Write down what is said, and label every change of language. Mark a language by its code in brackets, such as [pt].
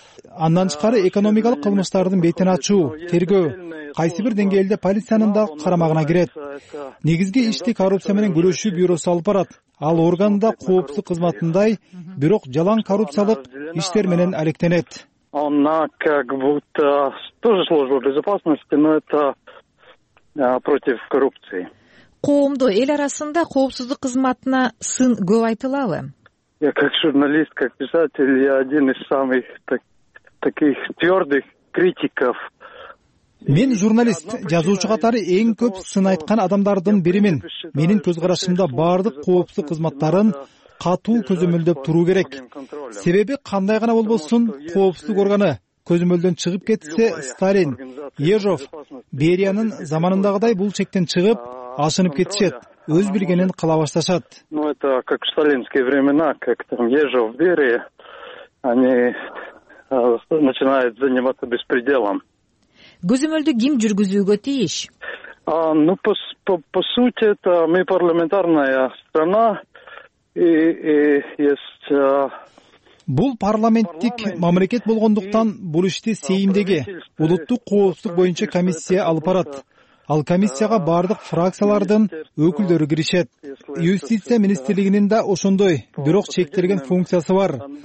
[ky] Андан тышкары экономикалык кылмыштардын бетин ачуу, тергөө кайсы бир деңгээлде полициянын да карамагына кирет. Негизги ишти коррупция менен күрөшүү бюросу алып барат. Ал орган да коопсуздук кызматындай, бирок жалаң коррупциялык иштер менен алектенет. [ru] Она как будто тоже служба безопасности, но это против коррупции. [ky] Коомдо эл арасында коопсуздук кызматына сын көп айтылабы? [ru] Я как журналист, как писатель, я один из самых таких твердых критиков. [ky] Мен журналист, жазуучу катары эң көп сын айткан адамдардын биримин. Менин көз карашымда баардык коопсуздук кызматтарын катуу көзөмөлдөп туруу керек. Себеби кандай гана болбосун, коопсуздук органы көзөмөлдөн чыгып кетсе, Сталин, Ежов, Бериянын заманындагыдай бул чектен чыгып, ашынып кетишет, өз билгенин кыла башташат. [ru] Ну это как сталинские времена, как там Ежов, Берия, они начинают заниматься беспределом. [ky] Көзөмөлдү ким жүргүзүүгө тийиш? [ru] Ну по сути это мы парламентарная страна. [ky] Бул парламенттик мамлекет болгондуктан бул ишти Сеймдеги улуттук коопсуздук боюнча комиссия алып барат. Ал комиссияга баардык фракциялардын өкүлдөрү киришет. Юстиция министрлигинин да ошондой, бирок чектелген функциясы бар.